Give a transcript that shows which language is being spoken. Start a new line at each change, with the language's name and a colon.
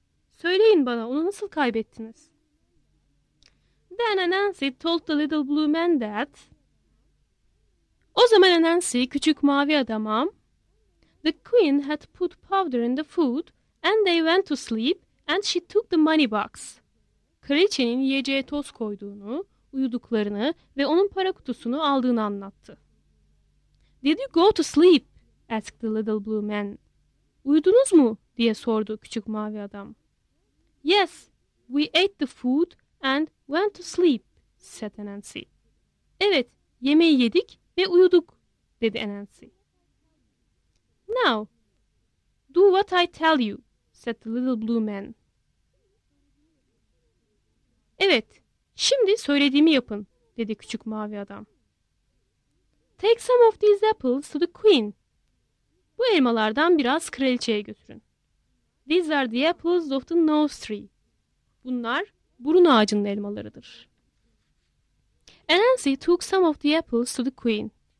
Turkish: Söyleyin bana, onu nasıl kaybettiniz?
English: Then Anansi told the little blue man that.
Turkish: O zaman Anansi küçük mavi adama,
English: The queen had put powder in the food and they went to sleep. And she took the money box.
Turkish: Kraliçenin yiyeceğe toz koyduğunu, uyuduklarını ve onun para kutusunu aldığını anlattı.
English: Did you go to sleep? Asked the little blue man.
Turkish: Uyudunuz mu? Diye sordu küçük mavi adam.
English: Yes, we ate the food and went to sleep, said Anansi.
Turkish: Evet, yemeği yedik ve uyuduk, dedi Anansi.
English: Now, do what I tell you, said the little blue man.
Turkish: Evet, şimdi söylediğimi yapın, dedi küçük mavi adam.
English: Take some of these apples to the queen.
Turkish: Bu elmalardan biraz kraliçeye götürün.
English: These are the apples of the nose tree.
Turkish: Bunlar burun ağacının elmalarıdır.
English: Anansi took some of the apples to the queen.